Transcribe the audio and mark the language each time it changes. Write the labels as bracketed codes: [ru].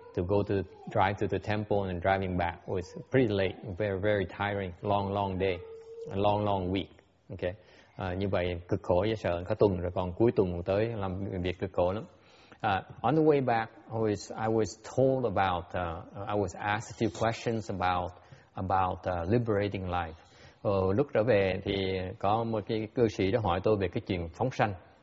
[en] To go to drive to the temple and driving back was pretty late, very very tiring, long day, a long week. [vi] Okay, như vậy cực khổ, dễ sợ, cả tuần rồi còn cuối tuần tới làm việc cực khổ lắm. [en] On the way back, I was told about, I was asked a few questions about liberating life. [vi] Lúc trở về thì có một cái cư sĩ đã hỏi tôi về cái chuyện phóng sanh.